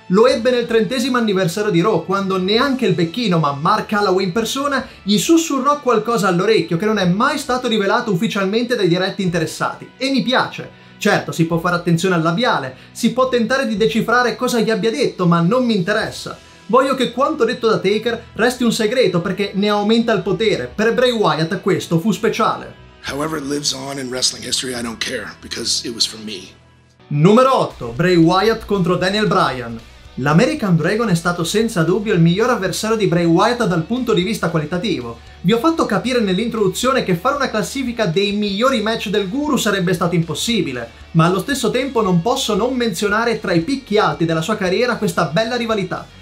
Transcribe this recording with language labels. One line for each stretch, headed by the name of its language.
Italian: Lo ebbe nel 30° anniversario di Raw, quando neanche il becchino, ma Mark Calloway in persona, gli sussurrò qualcosa all'orecchio che non è mai stato rivelato ufficialmente dai diretti interessati. E mi piace. Certo, si può fare attenzione al labiale, si può tentare di decifrare cosa gli abbia detto, ma non mi interessa. Voglio che quanto detto da Taker resti un segreto, perché ne aumenta il potere. Per Bray Wyatt questo fu speciale.
English: However it lives on in wrestling history, I don't care, because it was for me.
Italian: Numero 8. Bray Wyatt contro Daniel Bryan. L'American Dragon è stato senza dubbio il miglior avversario di Bray Wyatt dal punto di vista qualitativo. Vi ho fatto capire nell'introduzione che fare una classifica dei migliori match del guru sarebbe stato impossibile, ma allo stesso tempo non posso non menzionare tra i picchi alti della sua carriera questa bella rivalità.